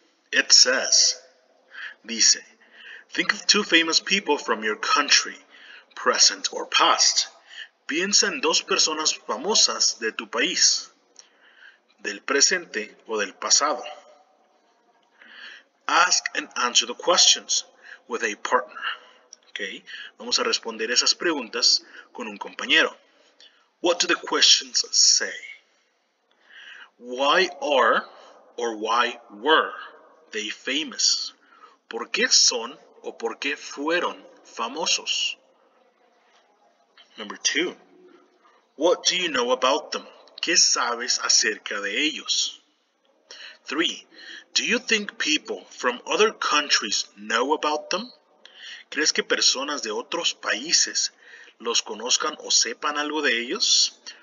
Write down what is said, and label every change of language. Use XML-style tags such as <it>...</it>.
<en>It says, dice, think of two famous people from your country, present or past.</en> <es>Piensa en dos personas famosas de tu país, del presente o del pasado.</es> <en>Ask and answer the questions with a partner.</en> <es>Okay, vamos a responder esas preguntas con un compañero.</es> <en>What do the questions say? Why are or why were they famous?</en> <es>¿Por qué son o por qué fueron famosos?</es> <en>Number two. What do you know about them?</en> <es>¿Qué sabes acerca de ellos?</es> <en>Three. Do you think people from other countries know about them?</en> <es>¿Crees que personas de otros países los conozcan o sepan algo de ellos?</es>